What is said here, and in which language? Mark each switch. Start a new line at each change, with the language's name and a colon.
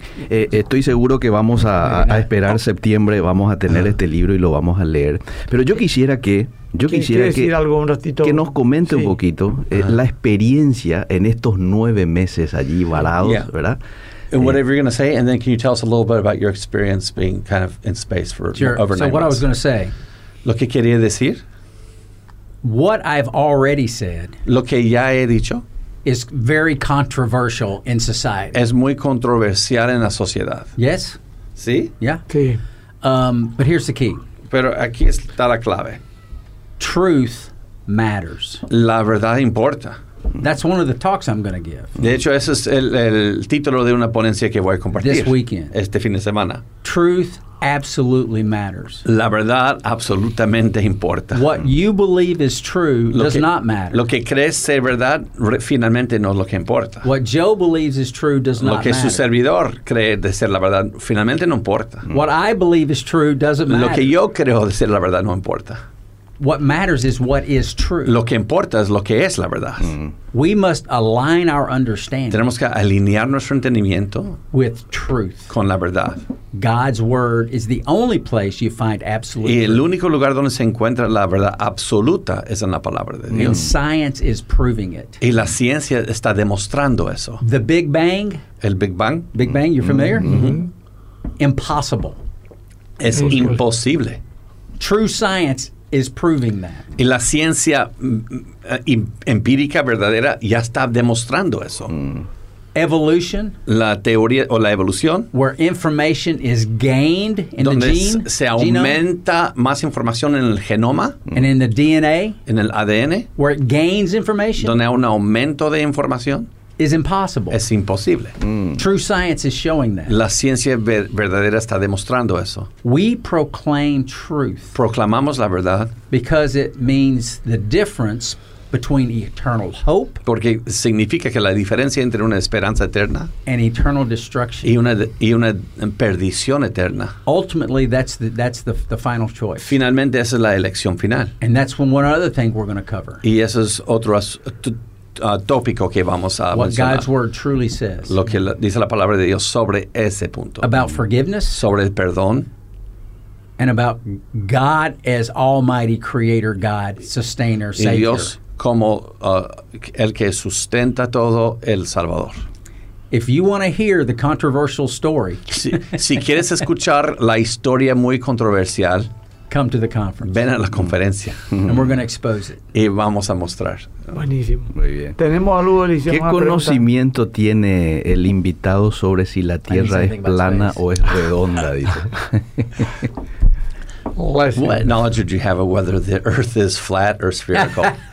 Spanish: Estoy seguro que vamos a esperar septiembre, vamos a tener este libro y lo vamos a leer. Pero yo quisiera que... Yo quisiera que nos comente un poquito la experiencia en estos 9 meses allí varados, ¿verdad?
English: And whatever you're going to say, and then can you tell us a little bit about your experience being kind of in space for over 9 months? So what I was going to say.
Spanish: Lo que quería decir.
English: What I've already said.
Spanish: Lo que ya he dicho.
English: Is very controversial in society.
Spanish: Es muy controversial en la sociedad.
English: Yes.
Spanish: Sí.
English: Yeah.
Spanish: Sí.
English: But here's the key.
Spanish: Pero aquí está la clave.
English: Truth matters.
Spanish: La verdad importa.
English: That's one of the talks I'm going to give.
Spanish: De hecho, ese es el título de una ponencia que voy a compartir.
English: This weekend.
Spanish: Este fin de semana.
English: Truth absolutely matters.
Spanish: La verdad absolutamente importa.
English: What you believe is true does not matter.
Spanish: Lo que crees ser verdad finalmente no es lo que importa.
English: What Joe believes is true does not matter.
Spanish: Lo que su servidor cree de ser la verdad finalmente no importa.
English: What I believe is true doesn't matter.
Spanish: Lo que yo creo de ser la verdad no importa.
English: What matters is what is true.
Spanish: Lo que importa es lo que es la verdad.
English: We must align our understanding.
Spanish: Tenemos que alinear nuestro entendimiento
English: with truth.
Spanish: Con la verdad.
English: God's word is the only place you find absolute truth.
Spanish: Y el único lugar donde se encuentra la verdad absoluta es en la palabra de Dios.
English: And science is proving it.
Spanish: Y la ciencia está demostrando eso.
English: The Big Bang.
Spanish: El Big Bang.
English: Big Bang, you're familiar? Mm-hmm. Impossible.
Spanish: Es imposible.
English: True science is proving that.
Spanish: Y la ciencia empírica verdadera ya está demostrando eso.
English: Evolution.
Spanish: La teoría o la evolución.
English: Where information is gained in
Spanish: donde
English: the gene.
Spanish: Se aumenta genome, más información en el genoma.
English: And in the DNA.
Spanish: En el ADN.
English: Where it gains information.
Spanish: Donde hay un aumento de información.
English: Is impossible.
Spanish: Es imposible.
English: True science is showing that.
Spanish: La ciencia verdadera está demostrando eso.
English: We proclaim truth.
Spanish: Proclamamos la verdad.
English: Because it means the difference between eternal hope.
Spanish: Porque significa que la diferencia entre una esperanza eterna.
English: And eternal destruction.
Spanish: Y una perdición eterna.
English: Ultimately, that's the final choice.
Spanish: Finalmente, esa es la elección final.
English: And that's one other thing we're going to cover.
Spanish: Y eso es otro tópico que vamos a
English: what
Spanish: mencionar.
English: God's word truly says.
Spanish: Lo que dice la palabra de Dios sobre ese punto.
English: About forgiveness.
Spanish: Sobre el perdón.
English: And about God as Almighty Creator, God, Sustainer, Savior.
Spanish: Y Dios como el que sustenta todo, el Salvador.
English: If you want to hear the controversial story.
Spanish: si quieres escuchar la historia muy controversial.
English: Come to the conference.
Spanish: Ven a la conferencia.
English: And we're going to expose it.
Spanish: Y vamos a mostrar. Buenísimo. Muy bien. Tenemos algo delicioso. ¿Qué conocimiento tiene el invitado sobre si la Tierra es plana o es redonda?
English: Listen. What knowledge would you have of whether the Earth is flat or spherical?